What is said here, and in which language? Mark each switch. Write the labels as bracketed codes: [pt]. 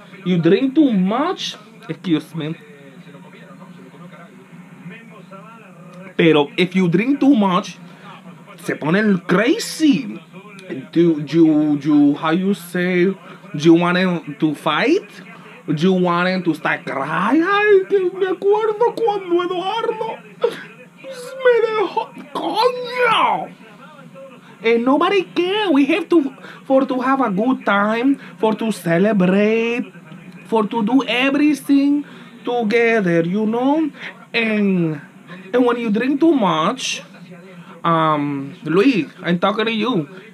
[en] You drink too much, excuse me. [es] Pero [en] if you drink too much, [es] se ponen [en] crazy. Do you how you say, you want to fight? You want to start crying? [es] Ay, que me acuerdo cuando Eduardo me dejó, coño. [en] And nobody care. We have to, for to have a good time, for to celebrate, for to do everything together, you know? And when you drink too much, Luis, I'm talking to you.